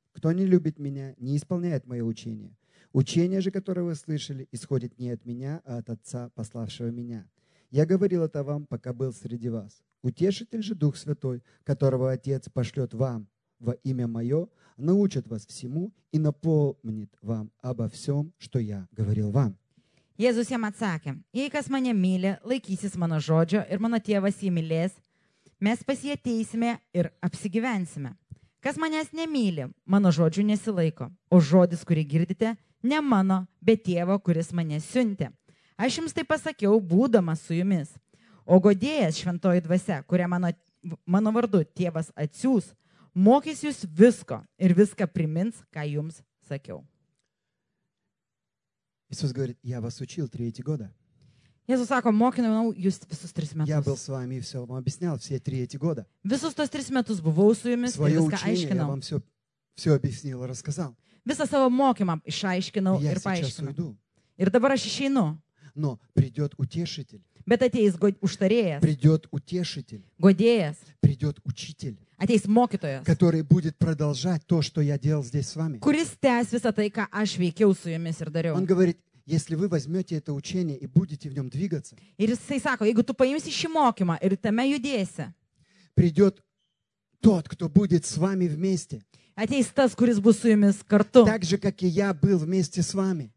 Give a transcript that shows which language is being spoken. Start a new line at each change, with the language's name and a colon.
Russian: Кто не любит меня, не исполняет мое учение. Учение же, которое вы слышали, исходит не от меня, а от Отца, пославшего меня. Я говорил это вам, пока был среди вас. Утешитель же Дух Святой, которого Отец пошлет вам во имя Мое, научит вас всему и напомнит вам обо всем, что Я говорил вам.
Lithuanian: Jėzus jam atsakė, jei kas mane myli, laikysis mano žodžio ir mano tėvas jį mylės, mes pas jį ateisime ir apsigyvensime. Kas manęs nemyli, mano žodžių nesilaiko, o žodis, kurį girdite, ne mano, bet tėvo, kuris mane siuntė. Aš jums tai pasakiau, būdamas su jumis. O godėjas šventoji dvasia, kurią mano vardu tėvas atsiūs, mokys jūs visko ir viską primins, ką jums sakiau.
Russian: Jėzus говорит, я вас учил третий года.
Lithuanian: Jėzus sako, mokinau jūs visus tris metus.
Russian: Я был с вами и все вам объяснял все три эти года.
Lithuanian: Visus tos tris metus buvau su jumis
Russian: Своё
Lithuanian: ir viską aiškinau.
Russian: Я вам все объяснил и рассказал.
Lithuanian: Visą savo mokymą išaiškinau ir paaiškinau.
Russian: Уйду.
Lithuanian: Ir dabar aš išeinu.
Russian: Но придет утешитель.
Lithuanian: Bet ateis užtarėjas.
Russian: Придет утешитель.
Lithuanian: Годеяс.
Russian: Придет учитель.
Lithuanian: Ateis mokytojas.
Russian: Который будет продолжать то, что я делал здесь с вами.
Lithuanian: Kuris tęs visą tai, ką aš veikiau su jumis ir dariau.
Russian: Он говорит, если вы возьмете это учение и будете в нем двигаться.
Lithuanian: Ir jisai sako, jeigu tu paimsi šį mokymą ir tame judėsi.
Russian: Придет тот, кто будет с вами вместе.
Lithuanian: Ateis tas, kuris bus su jumis kartu.
Russian: Так же, как и я был вместе с вами.